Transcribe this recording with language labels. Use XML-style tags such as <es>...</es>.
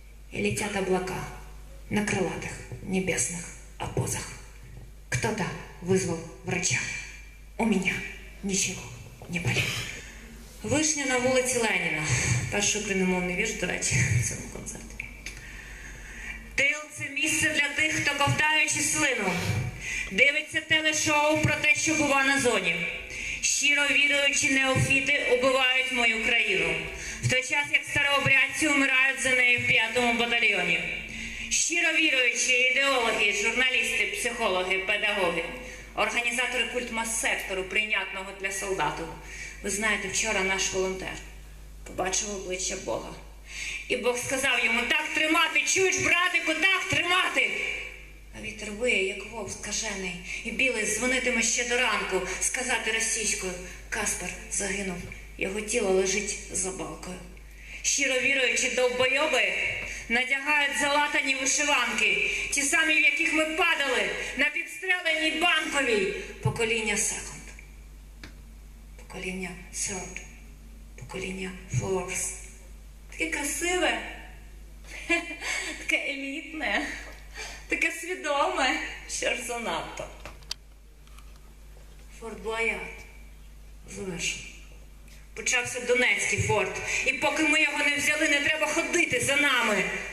<ru>И летят облака на крылатых небесных обозах. Кто-то вызвал врача. У меня ничего не болит. Вышли на улице Ленина. Пашу принимовный вирш давайте этому концерту.</ru> <uk>Тил – це місце для тих, хто, ковтаючи слину, дивиться телешоу про те, що бува на зоні. Щиро віруючи неофіти убивають мою країну. В той час, як старообрядці умирають за неї в 5-му батальйоні. Щиро віруючи ідеологи, журналісти, психологи, педагоги, організатори культмас-сектору, прийнятного для солдату. Ви знаєте, вчора наш волонтер побачив обличчя Бога. І Бог сказав йому, так тримати, чуєш, братику, так тримати. А вітер виє, як вовк скажений, і білий дзвонитиме ще до ранку, сказати російською, Каспер загинув, його тіло лежить за балкою. Щиро віруючи, довбойоби надягають залатані вишиванки, ті самі, в яких ми падали, на підстреленій Банковій. Покоління Second, покоління Third, покоління Fourth. Таке красиве, таке елітне, таке свідоме, що ж занадто. Форт Боярд завершено. Почався Донецький форт, і поки ми його не взяли, не треба ходити за нами.</uk>